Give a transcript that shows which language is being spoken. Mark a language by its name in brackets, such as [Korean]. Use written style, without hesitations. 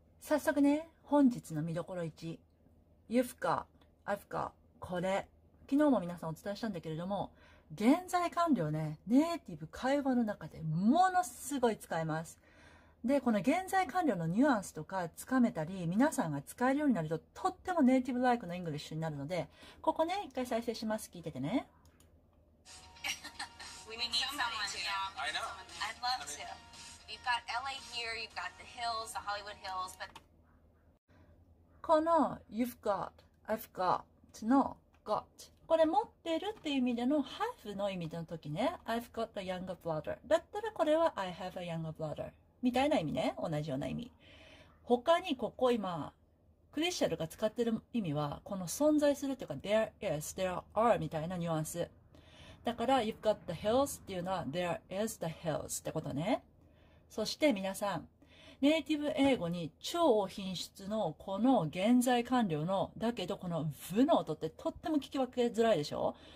[Japanese] 早速ね、本日の見どころ1、 You've got、 I've got、 これ昨日も皆さんお伝えしたんだけれども、現在完了ね、ネイティブ会話の中でものすごい使えます。で、この現在完了のニュアンスとかつかめたり、皆さんが使えるようになると、とってもネイティブライクのイングリッシュになるので、ここね一回再生します。聞いててね。 [English] We need someone to. I know. I'd love to. You've got LA here, you've got the hills, the Hollywood hills, [Japanese] but この You've got, I've got の got、 これ持ってるっていう意味での have の意味での時ね、 [English] I've got a younger brother [Japanese] だったら、これは [English] I have a younger brother [Japanese] みたいな意味ね、同じような意味。他にここ今クリスチャルが使ってる意味は、この存在するっていうか there is, there are みたいなニュアンスだから、 [English] You've got the hills [Japanese] っていうのは [English] There is the hills [Japanese] ってことね。そして皆さん、ネイティブ英語に超品質のこの現在完了の、だけどこの V の音ってとっても聞き分けづらいでしょ。